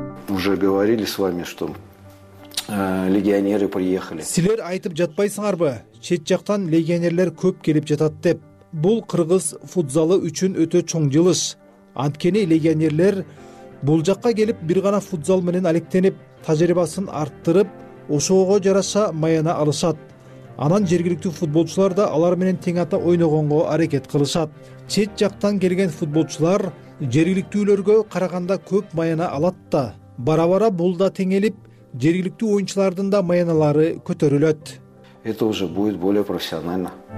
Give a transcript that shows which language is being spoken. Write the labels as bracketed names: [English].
[Russian] Уже говорили с вами, что легионеры приехали. [Kyrgyz] Силер айтып жатпайсыңарбы? Чет жактан легионерлер көп келип жатат деп. Бул кыргыз футзалы үчүн өтө чоң жылыш. Анткени легионерлер бул жакка келип бир гана футзал менен алектенип, тажрыйбасын арттырып, ошого жараша маяна алышат. Анан жергиликтүү футболчулар да алар менен тең ата ойногонго аракет кылышат. Чет жактан келген футболчулар жергиликтүүлөргө караганда көп маяна алат да. Бара-бара бул да теңелип, жергиликтүү оюнчулардын да маянылары көтөрүлөт. [Russian] Это уже будет более профессионально.